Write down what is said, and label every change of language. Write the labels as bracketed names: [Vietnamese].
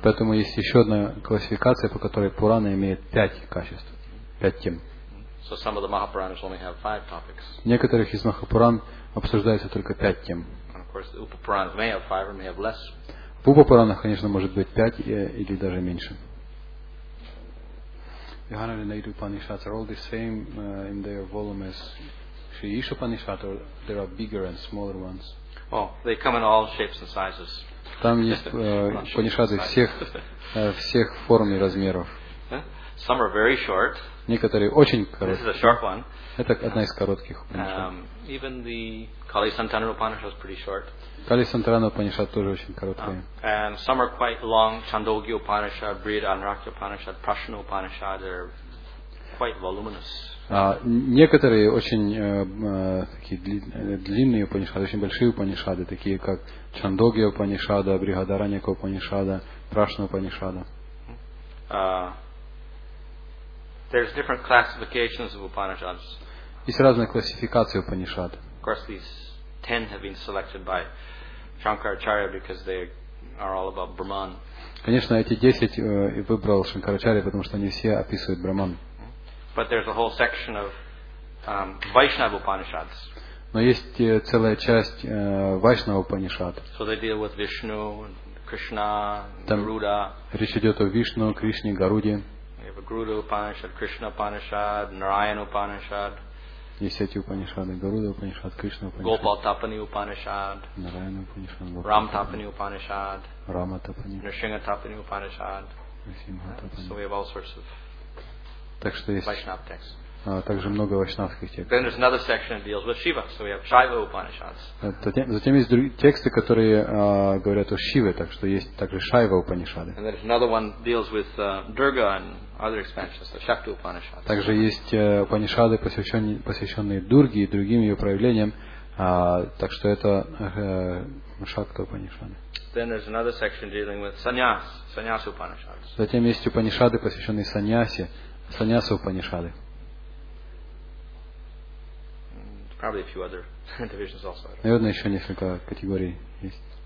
[Russian] Поэтому есть еще одна классификация, по которой Пурана имеет 5 качеств, 5 тем. [English] So some of the Mahapuranas only have 5 topics. [Russian] Некоторых из Махапуран обсуждается только 5 тем. [English] And of course, the Upapuranas may have 5 or may have less. [Russian] В Упапуранах, конечно, может быть 5 или даже меньше. [English] The 108 Upanishads are all the same in their volume as Sri Isha Upanishad, or there are bigger and smaller ones? Oh, they come in all shapes and sizes. [Russian] Там есть Упанишады всех форм и размеров. [English] Some are very short. [Russian] Некоторые очень короткие. [English] This is a short one. [Russian] Это одна из коротких. [English] Even the Kali Santana Upanishad is pretty short. [Russian] Kali Santana Upanishad тоже очень короткая. [English] And some are quite long. Chandogya Upanishad, Brihad Anurakya Upanishad, Prashna Upanishad are quite voluminous. [Russian] Некоторые очень такие длинные Упанишады, очень большие Упанишады, такие как Чандогья Упанишада, Брихадараньяка Упанишада, Прашна Упанишада. [English] There's different classifications of Upanishads. [Russian] Есть разные классификации Упанишад. [English] Of course, these 10 have been selected by Shankaracharya because they are all about Brahman. [Russian] Конечно, эти 10 выбрал Шанкарачарья, потому что они все описывают Брахман. [English] But there's a whole section of Vaishnava Upanishads. [Russian] Но есть целая часть Vaishnava Upanishad. [English] So they deal with Vishnu, Krishna, Garuda. [Russian] Речь идет о Вишну, Кришне, Гаруде. [English] Garuda Upanishad, Krishna Upanishad, Narayana Upanishad. [Russian] Есть эти Упанишады: Гаруда Упанишад, Кришна Упанишад. Гопал Тапани Упанишад. Нараяна Упанишад. Рам Тапани Упанишад. Рама Тапани. Нрисинха Тапани Упанишад. Нрисинха Тапани. [English] So we have all sorts of. [Russian] Так что есть Вайшнав текст. Также много вайшнавских текстов. [English] Then there's another section that deals with Shiva, so we have Shaiva Upanishads. [Russian] Затем есть другие тексты, которые говорят о Шиве, так что есть также Шайва Упанишады. [English] And there's another one deals with Durga and other expansions, the Shakti Upanishads. [Russian] Также есть Упанишады, посвященные Дурге и другим ее проявлениям, так что это Шакта Упанишады. [English] Then there's another section dealing with Sannyas, Sannyas Upanishads. [Russian] Затем есть Упанишады, посвященные Саньясе. Саньяса Упанишады. [English] Probably a few other divisions also. [Russian] Наверное, еще несколько категорий есть.